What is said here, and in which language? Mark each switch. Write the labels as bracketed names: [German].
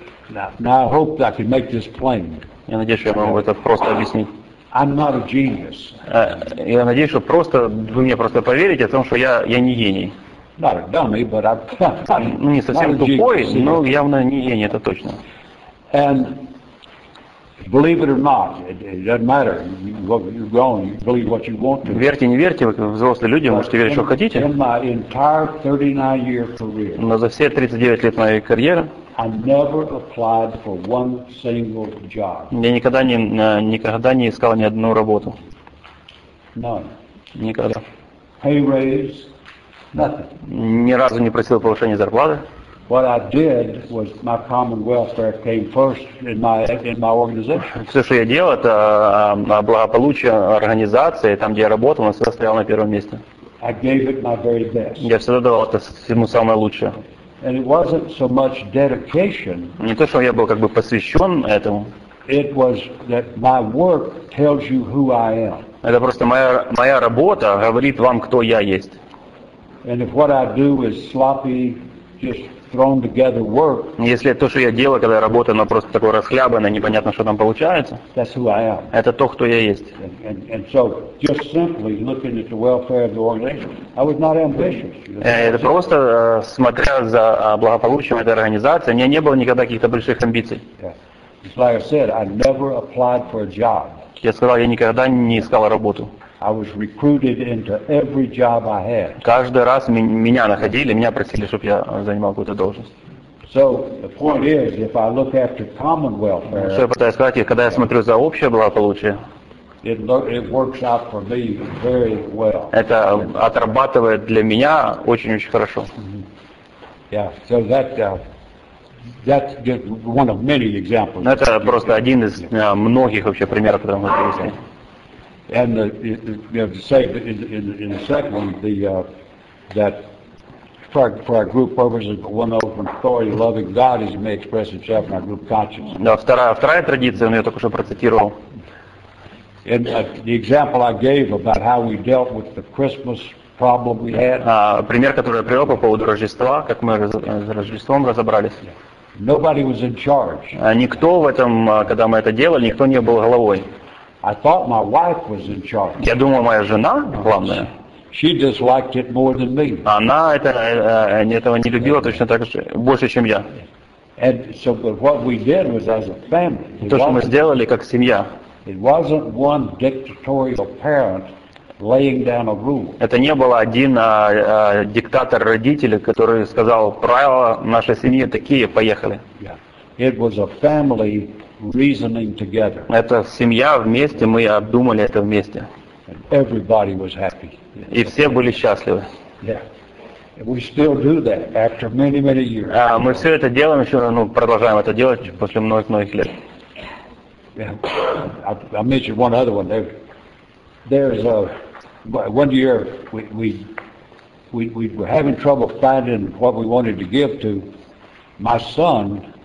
[English] Now I hope I can make this plain. [Russian] Я надеюсь, что я могу это просто объяснить. [English] I'm not a genius. [Russian] Я надеюсь, что просто вы мне просто поверите о том, что я не гений. [English] Not a dummy, but I'm [Russian] не совсем [English] not [Russian] тупой, [English] a [Russian] но явно не гений, это точно. [English] And believe it or not, it doesn't matter. You're grown. You believe what you want to. [Russian] Верьте, не верьте, вы взрослые люди, можете верить, что хотите. [English] In my entire 39-year career. [Russian] Но за все 39 лет моей карьеры. [English] I never applied for one single job. [Russian] Я никогда не искал ни одну работу. [English] None. [Russian] Никогда. [English] Pay raise. Nothing. [Russian] Ни разу не просил повышения зарплаты. [English] What I did was my common welfare came first in my organization. [Russian] Все, что я делал, это благополучие организации, там, где я работал, всегда стоял на первом месте. [English] I gave it my very best. [Russian] Я всегда давал это всему самое лучшее. [English] And it wasn't so much dedication. [Russian] Не то, что я был как бы посвящен этому. [English] It was that my work tells you who I am. [Russian] Это просто моя работа говорит вам, кто я есть. [English] And if what I do is sloppy, just thrown together work. [Russian] Если то, что я делаю, когда я работаю, оно просто такое расхлябанное, непонятно, что там получается. [English] That's who I am. [Russian] Это то, кто я есть. [English] And so, just simply looking at the welfare of the organization, I was not ambitious. [Russian] Это просто смотря за благополучием этой организации, у меня не было никогда каких-то больших амбиций. [English] Yes. Like I said, I never applied for a job. [Russian] Я сказал, я никогда не искал работу. [English] I was recruited into every job I had. [Russian] Каждый раз меня находили, меня просили, чтобы я занимал какую-то должность. [English] So the point is, if I look after common welfare. [Russian] Что я пытаюсь сказать, когда я смотрю за общее благополучие, [English] it works out for me very well. [Russian] Это отрабатывает для меня очень-очень хорошо. [English] Yeah, so that's just one of many examples. [Russian] Это просто один из многих вообще примеров, которые мы привели. [English] And the say in the second one, that for our group purposes, one of authority, loving God, as he may express himself in our group conscience. [Russian] Да, вторая традиция, он ее только что процитировал. [English] And the example I gave about how we dealt with the Christmas problem we had. [Russian] Пример, который я привел по поводу Рождества, как мы с Рождеством разобрались. [English] Nobody was in charge. [Russian] Никто в этом, когда мы это делали, никто не был головой. [English] I thought my wife was in charge. [Russian] Я думал, моя жена главная. [English] She disliked it more than me. [Russian] Она этого не любила точно так же больше, чем я. [English] And so, but what we did was as a family. [Russian] То, что мы сделали как семья. [English] It wasn't one dictatorial parent laying down a rule. [Russian] Это не было один диктатор родителей, который сказал правила нашей семьи такие, поехали. [English] Yeah. It was a family. Reasoning together. [Russian] Это семья вместе, мы обдумали это вместе. [English] Everybody was happy. [Russian] И все были счастливы. [English] Yeah. We still do that after many, many years. [Russian] Мы все это делаем еще, ну, продолжаем это делать после многих-многих лет. [English] Yeah. I mentioned one other one. There's a one year we were having trouble finding what we wanted to give to my son.